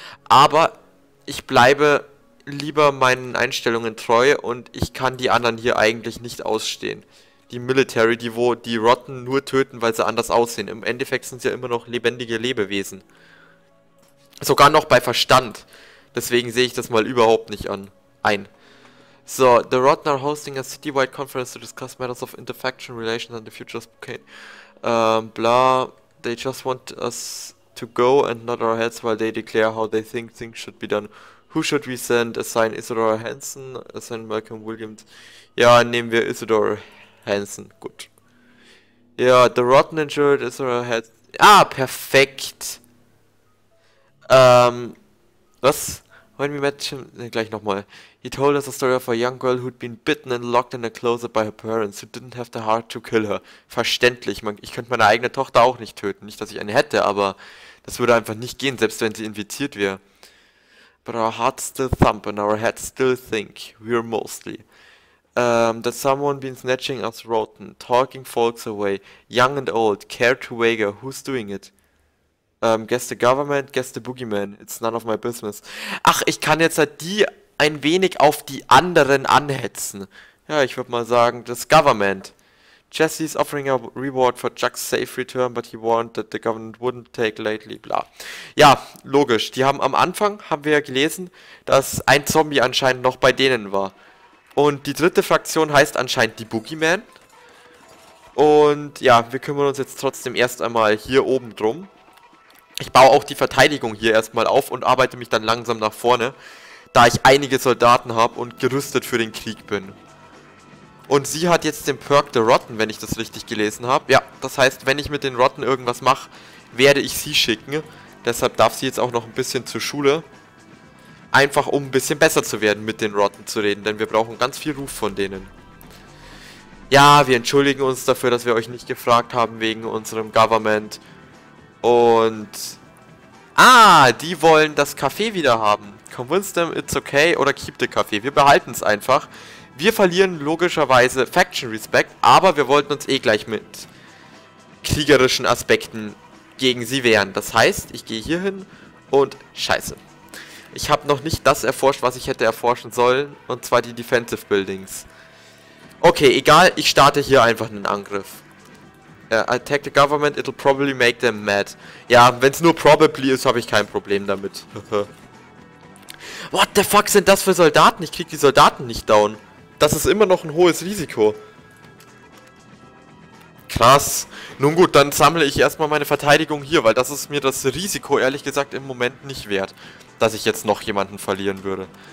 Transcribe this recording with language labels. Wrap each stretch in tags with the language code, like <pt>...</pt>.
<de>Aber ich bleibe lieber meinen Einstellungen treu und ich kann die anderen hier eigentlich nicht ausstehen. Die Military, die wo die Rotten nur töten, weil sie anders aussehen. Im Endeffekt sind sie ja immer noch lebendige Lebewesen. Sogar noch bei Verstand. Deswegen sehe ich das mal überhaupt nicht an. Ein.</de> <en>So, the Rotten are hosting a citywide conference to discuss matters of interfaction relations and the future of Spokane. Bla. They just want us to go and nod our heads while they declare how they think things should be done. Who should we send? Assign Isadora Hansen. Assign Malcolm Williams.</en> <de>Ja, nehmen wir Isadora Hansen. Gut. Ja,</de> <en>the Rotten ensured</en> <de>Isadora Hansen. Ah, perfekt. Was?</de> <en>When we met him,</en> <de>gleich nochmal.</de> <en>He told us a story of a young girl who'd been bitten and locked in a closet by her parents, who didn't have the heart to kill her.</en> <de>Verständlich, ich könnte meine eigene Tochter auch nicht töten. Nicht, dass ich eine hätte, aber das würde einfach nicht gehen, selbst wenn sie infiziert wäre.</de> <en>But our hearts still thump and our heads still think. We're mostly. That someone been snatching us rotten, talking folks away, young and old, care to wager, who's doing it? Guess the government, guess the boogeyman. It's none of my business.</en> <de>Ach, ich kann jetzt halt die ein wenig auf die anderen anhetzen. Ja, ich würde mal sagen, das Government.</de> <en>Jesse is offering a reward for Chuck's safe return, but he warned that the government wouldn't take lightly, bla.</en> <de>Ja, logisch. Die haben am Anfang, haben wir ja gelesen, dass ein Zombie anscheinend noch bei denen war. Und die dritte Fraktion heißt anscheinend die Boogeyman. Und ja, wir kümmern uns jetzt trotzdem erst einmal hier oben drum. Ich baue auch die Verteidigung hier erstmal auf und arbeite mich dann langsam nach vorne, da ich einige Soldaten habe und gerüstet für den Krieg bin. Und sie hat jetzt den Perk der Rotten, wenn ich das richtig gelesen habe. Ja, das heißt, wenn ich mit den Rotten irgendwas mache, werde ich sie schicken. Deshalb darf sie jetzt auch noch ein bisschen zur Schule. Einfach um ein bisschen besser zu werden, mit den Rotten zu reden, denn wir brauchen ganz viel Ruf von denen. Ja, wir entschuldigen uns dafür, dass wir euch nicht gefragt haben wegen unserem Government. Und... Ah, die wollen das Café wieder haben.</de> <en>Convince them it's okay oder keep the Café.</en> <de>Wir behalten es einfach. Wir verlieren logischerweise Faction Respect, aber wir wollten uns eh gleich mit kriegerischen Aspekten gegen sie wehren. Das heißt, ich gehe hier hin und scheiße. Ich habe noch nicht das erforscht, was ich hätte erforschen sollen, und zwar die Defensive Buildings. Okay, egal, ich starte hier einfach einen Angriff.</de> <en>Attack the government, it'll probably make them mad.</en> <de>Ja, wenn es nur probably ist, habe ich kein Problem damit.</de> <en>What the fuck</en> <de>sind das für Soldaten? Ich krieg die Soldaten nicht down. Das ist immer noch ein hohes Risiko. Krass. Nun gut, dann sammle ich erstmal meine Verteidigung hier, weil das ist mir das Risiko, ehrlich gesagt, im Moment nicht wert, dass ich jetzt noch jemanden verlieren würde.</de>